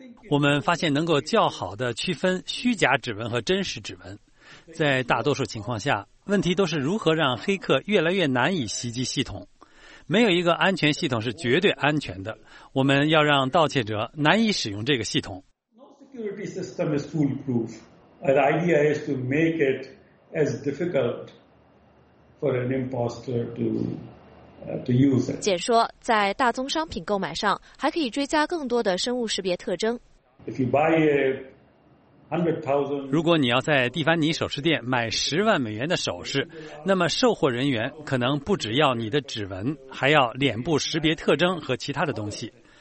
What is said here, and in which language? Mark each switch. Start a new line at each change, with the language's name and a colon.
Chinese: 我们发现能够较好地区分虚假指纹和真实指纹。在大多数情况下，问题都是如何让黑客越来越难以袭击系统。没有一个安全系统是绝对安全的，我们要让盗窃者难以使用这个系统。
English: No security system is foolproof. The idea is to make it as difficult for an imposter to use it.
Chinese: 简说，在大宗商品购买上还可以追加更多的生物识别特征。
English: If you buy $100,000,
Chinese: 如果你要在蒂凡尼首饰店买$100,000的首饰，那么售货人员可能不只要你的指纹，还要脸部识别特征和其他的东西。